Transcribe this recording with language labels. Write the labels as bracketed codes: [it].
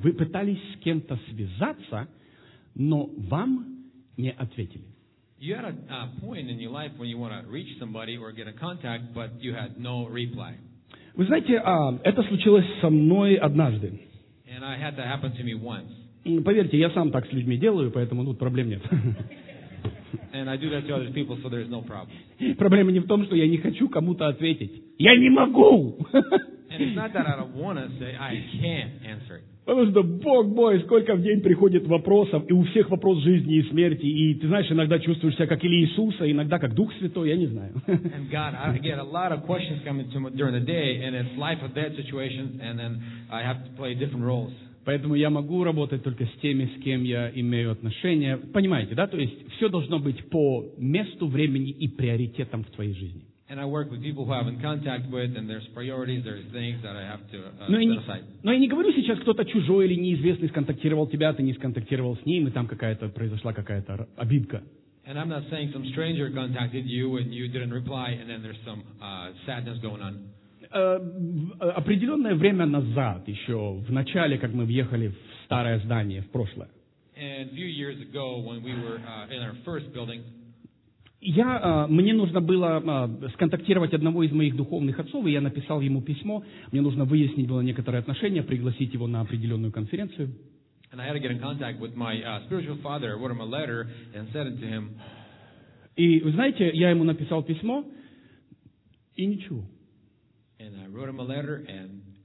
[ru] Вы пытались с кем-то связаться, но вам не ответили. [en] You had a point in your life when you want to reach somebody or get a contact, but you had no reply. [ru] Вы знаете, это случилось со мной однажды. [en] And I had that happen to me once. [ru] Поверьте, я сам так с людьми делаю, поэтому тут проблем нет. [en] And I do that to other people, so there's no problem. [ru] Проблема не в том, что я не хочу кому-то ответить. Я не могу! [en] And it's not that I don't want to say, I can't answer it. [ru] Потому что, бог мой, сколько в день приходит вопросов, и у всех вопрос жизни и смерти, и ты знаешь, иногда чувствуешь себя как или Иисуса, иногда как Дух Святой, я не знаю. [en] And God, I get a lot of questions coming to me during the day, and it's life or death situations, and then I have to play different roles. [ru] Поэтому я могу работать только с теми, с кем я имею отношения. Понимаете, да? То есть все должно быть по месту, времени и приоритетам в твоей жизни. [en] And I work with people who I'm in contact with, and there's priorities, there's things that I have to set aside. [ru] Но я не говорю сейчас, кто-то чужой или неизвестный сконтактировал тебя, ты не сконтактировал с ним, и там произошла какая-то обидка. [en] And I'm not saying some stranger contacted you and you didn't reply, and then there's some sadness going on. [ru] Определенное время назад, еще в начале, как мы въехали в старое здание, в прошлое. [en] And a few years ago, when we were in our first building, [ru] Мне нужно было сконтактировать одного из моих духовных отцов, и я написал ему письмо. Мне нужно выяснить было некоторые отношения, пригласить его на определенную конференцию. [en] And I had to get in contact with my spiritual father, wrote him a letter, and said it to him. [ru] И, вы знаете, я ему написал письмо, и ничего. [en] And I wrote him a letter, and...